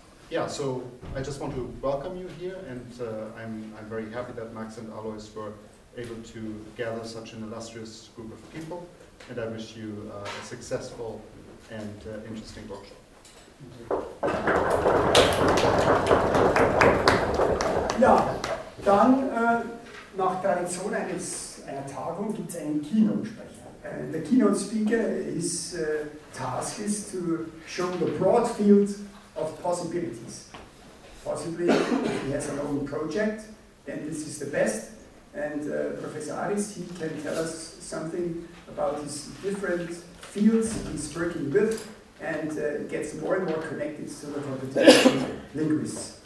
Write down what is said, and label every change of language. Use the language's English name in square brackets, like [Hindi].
[English] Yeah, so I just want to welcome you here, and I'm very happy that Max and Alois were able to gather such an illustrious group of people, and I wish you a successful and interesting workshop. [German] Ja, dann nach Tradition einer Tagung gibt es einen Keynote-Sprecher. [English] The keynote speaker is task is to show the broad field of possibilities. Possibly he has an own project, then this is the best. And Professor Aris, he can tell us something about his different fields he's working with and gets more and more connected to the computational linguists.